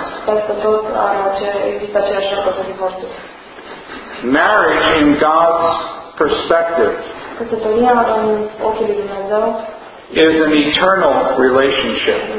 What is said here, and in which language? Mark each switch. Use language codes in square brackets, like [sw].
[ro] Peste tot există aceeași rată de divorțuri. [en] Marriage in God's perspective. [ro] Căsătoria în ochii lui Dumnezeu. [en] Is an eternal relationship.